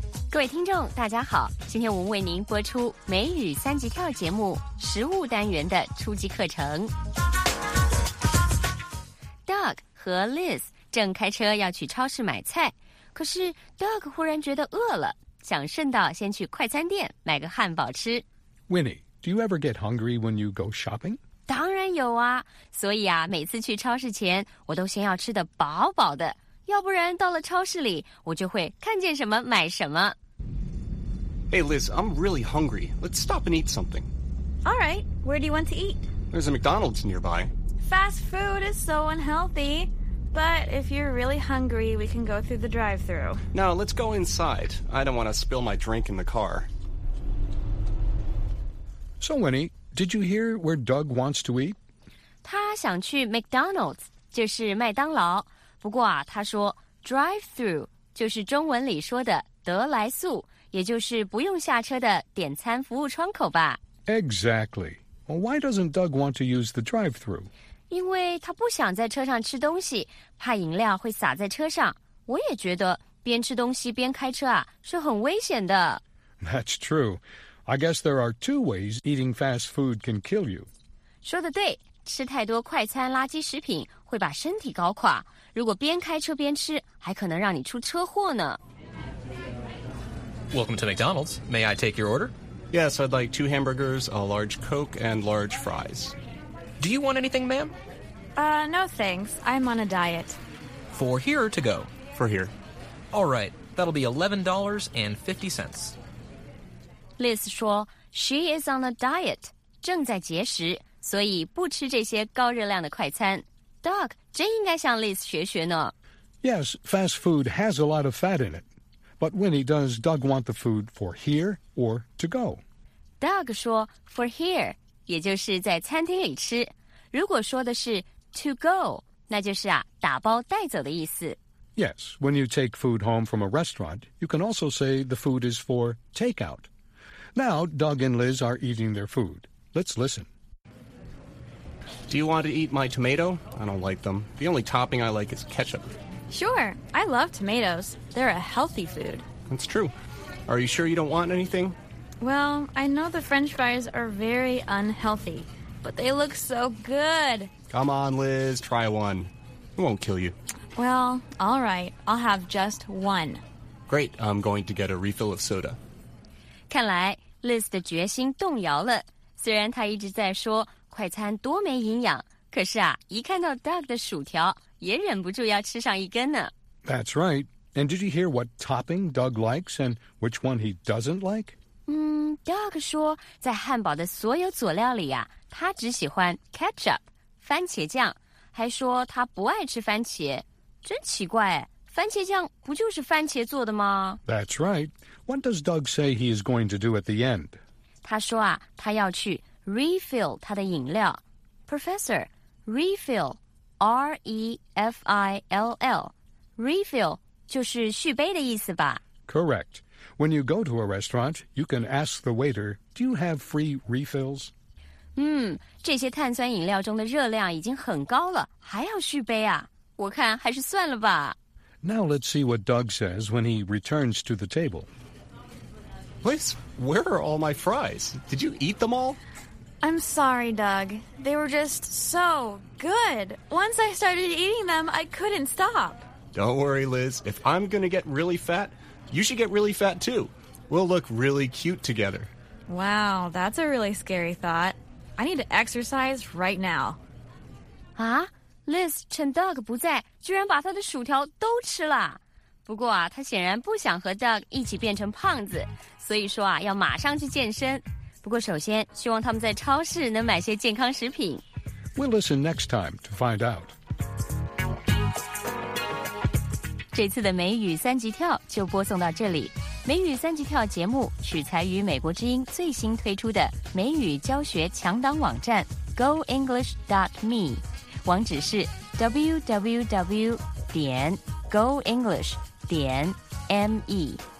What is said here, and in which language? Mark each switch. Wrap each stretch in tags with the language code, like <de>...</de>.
<zh>各位听众大家好，今天我们为您播出美语三级跳节目实务单元的初级课程。 Doug 和 Liz 正开车要去超市买菜，可是 Doug 忽然觉得饿了，想顺道先去快餐店买个汉堡吃。</zh> <en>Winnie, do you ever get hungry when you go shopping?</en> <zh>当然有啊，所以啊，每次去超市前我都先要吃得饱饱的，要不然到了超市里我就会看见什么买什么。</zh> <en>Hey Liz, I'm really hungry. Let's stop and eat something. Alright, where do you want to eat? There's a McDonald's nearby. Fast food is so unhealthy. But if you're really hungry, we can go through the drive-thru. No, let's go inside. I don't want to spill my drink in the car. So Winnie, did you hear where Doug wants to eat?</en> <zh>他想去 McDonald's, 就是麦当劳。不过啊，他说 drive-thru 就是中文里说的得来速，也就是不用下车的点餐服务窗口吧。</zh> <en>Exactly. Well, why doesn't Doug want to use the drive-thru?</en> <zh>因为他不想在车上吃东西，怕饮料会洒在车上。我也觉得边吃东西边开车啊，是很危险的。</zh> <en>That's true. I guess there are two ways eating fast food can kill you.</en> <zh>说得对，吃太多快餐垃圾食品会把身体搞垮。如果边开车边吃，还可能让你出车祸呢。</zh> <en>Welcome to McDonald's. May I take your order? Yes, I'd like two hamburgers, a large Coke, and large fries. Do you want anything, ma'am? No thanks. I'm on a diet. For here or to go? For here. All right. That'll be $11.50.</en> <zh>Liz 说 she is on a diet, 正在节食，所以不吃这些高热量的快餐。 Doug 真应该向 Liz 学学呢。</zh> <en>Yes, fast food has a lot of fat in it. But Winnie, does Doug want the food for here or to go?</en> <zh>Doug 说 for here,也就是在餐厅里吃。如果说的是 to go, 那就是啊，打包带走的意思。</zh> <en>Yes, when you take food home from a restaurant, you can also say the food is for takeout. Now, Doug and Liz are eating their food. Let's listen. Do you want to eat my tomato? I don't like them. The only topping I like is ketchup. Sure, I love tomatoes. They're a healthy food. That's true. Are you sure you don't want anything? Well, I know the French fries are very unhealthy, but they look so good. Come on, Liz, try one. It won't kill you. Well, all right, I'll have just one. Great, I'm going to get a refill of soda.</en> <zh>看来 Liz 的决心动摇了。虽然她一直在说快餐多没营养，可是啊，一看到 Doug 的薯条，也忍不住要吃上一根呢。</zh> <en>That's right. And did you hear what topping Doug likes and which one he doesn't like?</en> <zh>Doug 说在汉堡的所有佐料里啊，他只喜欢 ketchup, 番茄酱，还说他不爱吃番茄。真奇怪，番茄酱不就是番茄做的吗？</zh> <en>That's right. What does Doug say he is going to do at the end?</en> <zh>他说啊，他要去 refill 他的饮料。</zh> <en>Professor, refill, R-E-F-I-L-L.</en> <zh>Refill 就是续杯的意思吧？</zh> <en>Correct. When you go to a restaurant, you can ask the waiter, do you have free refills?</en> <zh>这些碳酸饮料中的热量已经很高了，还要续杯啊？我看还是算了吧。</zh> <en>Now let's see what Doug says when he returns to the table. Liz, where are all my fries? Did you eat them all? I'm sorry, Doug. They were just so good. Once I started eating them, I couldn't stop. Don't worry, Liz. If I'm going to get really fat... You should get really fat, too. We'll look really cute together. Wow, that's a really scary thought. I need to exercise right now.</en> <zh>Liz, 趁 Doug 不在，居然把他的薯条都吃了。不过啊，他显然不想和 Doug 一起变成胖子，所以说啊，要马上去健身。不过首先，希望他们在超市能买些健康食品。</zh> <en>We'll listen next time to find out.</en> <zh>这次的美语三级跳就播送到这里。美语三级跳节目取材于美国之音最新推出的美语教学强档网站 goenglish.me， 网址是 www.goenglish.me。</zh>